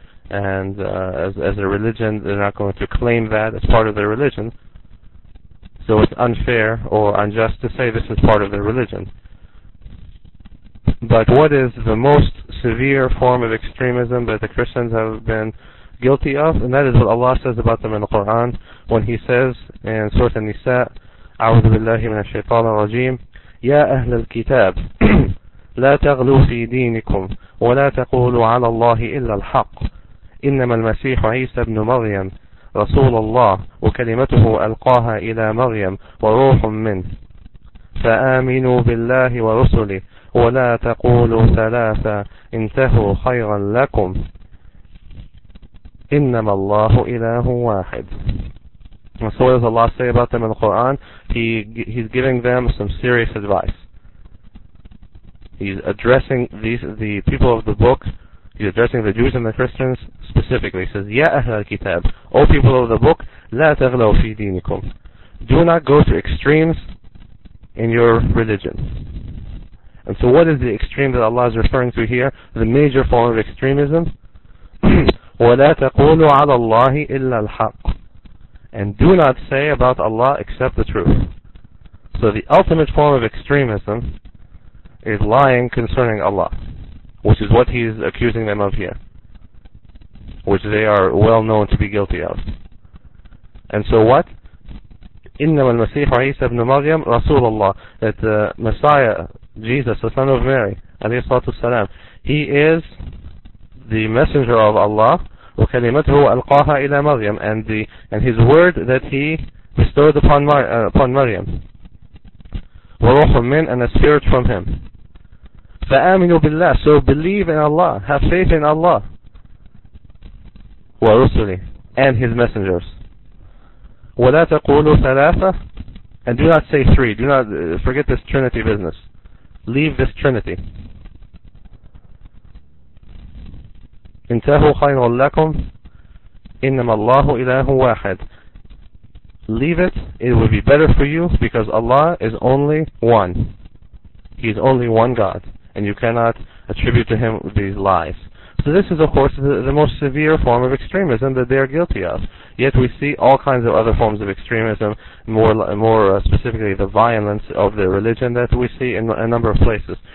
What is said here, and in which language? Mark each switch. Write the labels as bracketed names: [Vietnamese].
[English] And as a religion, they're not going to claim that as part of their religion. So it's unfair or unjust to say this is part of their religion. But what is the most severe form of extremism that the Christians have been guilty of? And that is what Allah says about them in the Quran when He says in Surah An-Nisa, [Arabic] أعوذ بالله من الشيطان الرجيم يا أهل الكتاب لا تغلوا في دينكم ولا تقولوا على الله إلا الحق إنما المسيح عيسى بن مريم رسول الله وكلمته ألقاها إلى مريم وروح منه فآمنوا بالله ورسله ولا تقولوا ثلاثة انتهوا خيرا لكم إنما الله إله واحد. [English] So what does Allah say about them in the Quran? He's giving them some serious advice. He's addressing the people of the book. He's addressing the Jews and the Christians specifically. He says, [Arabic] يا أهل الكتاب, [English] O people of the book, [Arabic] لا تغلوا في دينكم. [English] Do not go to extremes in your religion. And so what is the extreme that Allah is referring to here? The major form of extremism? [Arabic] ولا تقولوا على الله إلا الحق. [English] And do not say about Allah except the truth. So the ultimate form of extremism is lying concerning Allah, which is what he's accusing them of here, which they are well known to be guilty of. And so what? [Arabic] إِنَّمَا الْمَسِيحُ عِيسَى بْنُ مَرْيَمْ رَسُولَ اللَّهِ, [English] that the Messiah, Jesus, the son of Mary, [Arabic] عليه الصلاة والسلام, [English] he is the messenger of Allah, [Arabic] وكلمته ألقاها إلى مريم, [English] and his word that he bestowed upon Maryam, [Arabic] وروح من, [English] and a spirit from him. [Arabic] فآمنوا بالله, [English] so believe in Allah, have faith in Allah, ورسله, and his messengers. [Arabic] ولا تقولوا ثلاثة, [English] and do not say three, do not forget this Trinity business, leave this Trinity. [Arabic] انتهوا خير لكم إنما الله إله واحد. [English] Leave it, it will be better for you, because Allah is only one. He is only one God, and you cannot attribute to him these lies. So this is, of course, the most severe form of extremism that they are guilty of. Yet we see all kinds of other forms of extremism, more specifically the violence of the religion that we see in a number of places.